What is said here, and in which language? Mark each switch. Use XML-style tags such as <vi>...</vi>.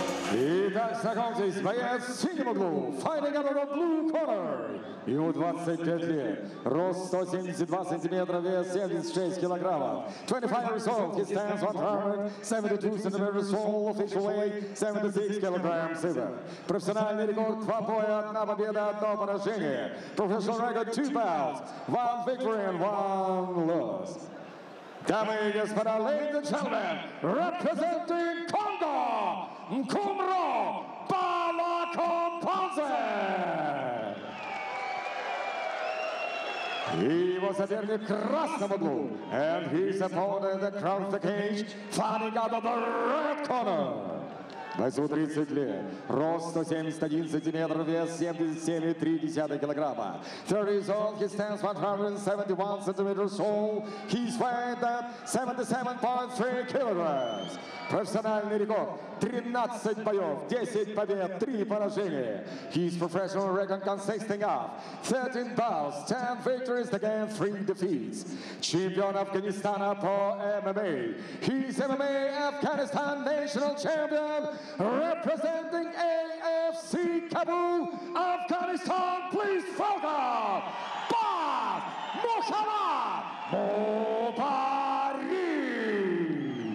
<ru>Знакомьтесь, боец синего углу,</ru> <en>fighting out of the blue corner.</en> <ru>Ему 25 лет, рост 172 сантиметра, вес 76 килограммов.</ru> <en>25 years old, he stands 172 centimeters tall, official weight 76 kilograms.</en> <ru>Профессиональный рекорд, 2 боя, 1 победа, 1 поражение.</ru> <en>Professional record, 2 bouts, 1 victory and 1 loss.</en> <ru>Дамы и господа,</ru> <en>ladies and gentlemen, representing Congo, Nkumro Balakompanze! He was a very</en> <ru>красному углу,</ru> <en>and he's opponent across the cage, fighting out of the red corner.</en> <ru>Бойцу 30 лет, рост 171 сантиметров, вес 77,3 килограмма.</ru> <en>30 years old, he stands 171 centimeters tall, he's weighed at 77.3 kilograms.</en> <ru>Профессиональный рекорд 13 боев, 10 побед, 3 поражения.</ru> <en>His professional record consisting of 13 bouts, 10 victories against 3 defeats.</en> <ru>Чемпион Афганистана по ММА.</ru> <en>He's ММА Afghanistan national champion, representing AFC Kabul, Afghanistan. Please welcome Bas Mohammad Mobari.</en>